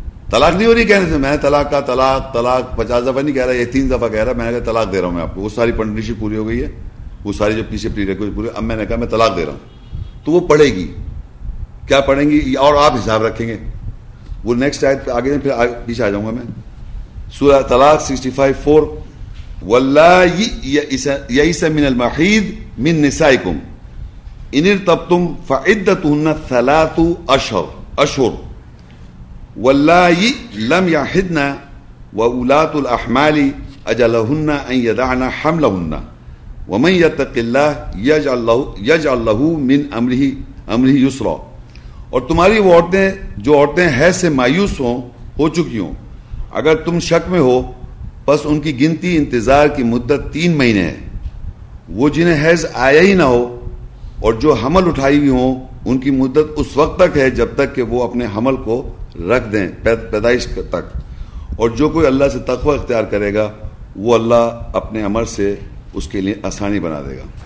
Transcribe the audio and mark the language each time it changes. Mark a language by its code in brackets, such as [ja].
[ur] طلاق نہیں ہو رہی کہنے سے, میں نے طلاق کا طلاق طلاق 50 دفعہ نہیں کہہ رہا, یہ 3 دفعہ کہہ رہا, میں نے کہا طلاق دے رہا ہوں میں آپ کو, وہ ساری پنڈیشن پوری ہو گئی ہے, وہ ساری جو پیچھے پری ریکویسٹ پوری, اب میں نے کہا میں طلاق دے رہا ہوں. تو وہ پڑھے گی, کیا پڑھیں گی, اور آپ حساب رکھیں گے. وہ نیکسٹ آیت پہ آگے, پھر پیچھے آ جاؤں گا میں. [ar] سورہ طلاق 65:4, ولاس من المحید من نسائکم ان ارتبتم فعدتهن 3 اشہر واللائی لم يحضن وأولات الأحمال أجلهن أن يدعن حملهن ومن يتق الله يجعل له من أمره يسرا. [ur] اور تمہاری وہ عورتیں جو عورتیں حیض سے مایوس ہو چکی ہوں, اگر تم شک میں ہو بس ان کی گنتی انتظار کی مدت 3 مہینے ہے, وہ جنہیں حیض آیا ہی نہ ہو اور جو حمل اٹھائی ہوئی ہوں ان کی مدت اس وقت تک ہے جب تک کہ وہ اپنے حمل کو رکھ دیں پیدائش تک, اور جو کوئی اللہ سے تقوی اختیار کرے گا وہ اللہ اپنے عمر سے اس کے لیے آسانی بنا دے گا.